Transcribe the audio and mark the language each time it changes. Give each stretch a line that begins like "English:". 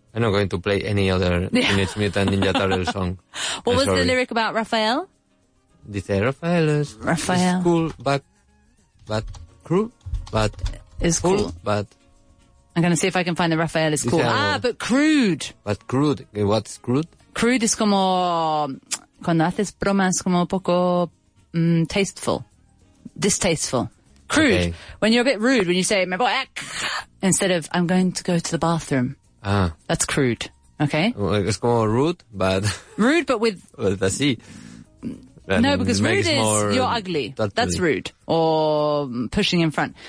English: I'm not going to play any other Teenage Mutant Ninja Turtles song. What was the lyric about Raphael? They say Raphael is cool, but crew, but is cool, but I'm going to see if I can find the Raphael is cool. But crude. But crude. What's crude? Crude is
Spanish: como cuando haces bromas como poco
English: tasteful, distasteful. Crude. Okay. When you're a bit rude, when you say
Spanish: me voy a,
English: instead of I'm going to go to the bathroom. Ah. That's crude. Okay. Well, it's
Spanish: como
English: rude, but. Rude, but with. With a C. No, because rude is, you're ugly. Totally. That's rude. Or pushing in front.